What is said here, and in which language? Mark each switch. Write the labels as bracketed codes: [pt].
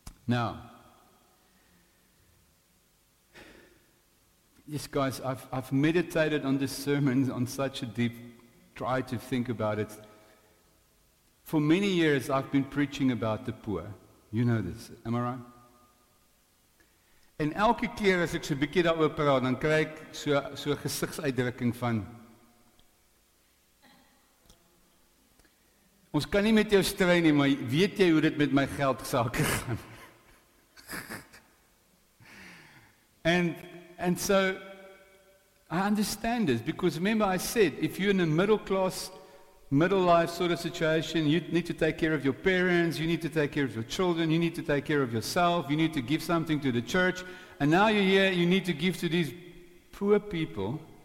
[en] Now, yes, guys, I've meditated on this sermon on such a deep, try to think about it. For many years, I've been preaching about the poor. You know this, am I right? [af] En elke keer as ek so 'n bietjie daaroor praat, dan kry ek so 'n gesigsuitdrukking van ons kan nie met jou stry nie, maar weet jy hoe dit met my geld sake gaan? [en] And so I understand this, because remember I said, if you're in a middle class, middle life sort of situation, you need to take care of your parents, you need to take care of your children, you need to take care of yourself, you need to give something to the church, and now you're here, you need to give to these poor people.